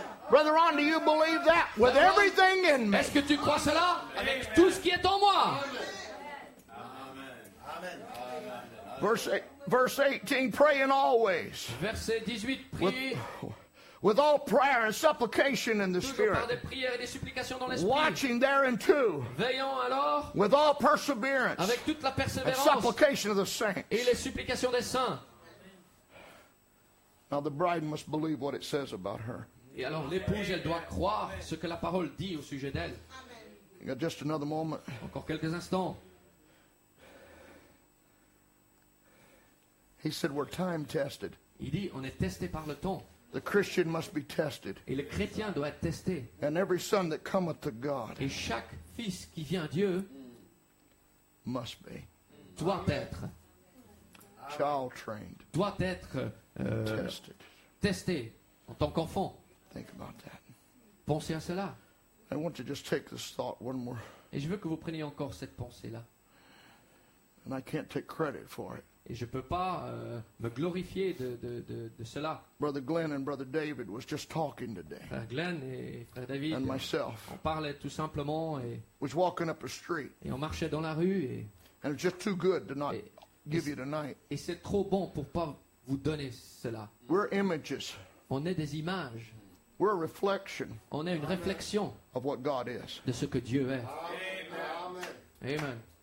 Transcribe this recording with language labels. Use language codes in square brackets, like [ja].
[en] Brother Ron, do you believe that with everything in me? [fr] Est-ce que tu crois cela avec tout ce qui est en moi? Amen. [en] Verse 18, praying always. [fr] Verset 18, [en] with all prayer and supplication in the Spirit. [fr] Toujours par des prières et des supplications dans l'esprit. [en] Watching thereunto. [fr] Veillant alors. [en] With all perseverance. [fr] Avec toute la persévérance. [en] And supplication of the saints. [fr] Et les supplications des saints. [en] Now the bride must believe what it says about her. [fr] Et alors l'épouse, elle doit croire ce que la parole dit au sujet d'elle. [en] Just another moment. [fr] Encore quelques instants. [en] He said, we're time tested. [fr] Il dit, on est testé par le temps. [en] The Christian must be tested. [fr] Et le chrétien doit être testé. [en] And every son that cometh to God. [fr] Et chaque fils qui vient à Dieu. [en] Must be. [fr] Doit être. [en] Child trained. [fr] Doit être. [en] Tested. [fr] Testé en tant qu'enfant. [en] Think about that. [fr] Pensez à cela. [en] I want to just take this thought one more. [fr] Et je veux que vous preniez encore cette pensée-là. [en] And I can't take credit for it. [fr] Et je peux pas me glorifier de cela. [en] Brother Glenn and Brother David was just talking today. [fr] Frère Glenn et frère David. [en] And myself. [fr] On parlait tout simplement et. [en] Was walking up a street. [fr] Et on marchait dans la rue et. [en] And it's just too good to not give you tonight. [fr] Et c'est trop bon pour pas vous donner cela. [en] We're images. [fr] On est des images. [en] We're a reflection. [fr] On est une réflexion. [en] Of what God is. [fr] De ce que Dieu est. Amen. Amen. Amen.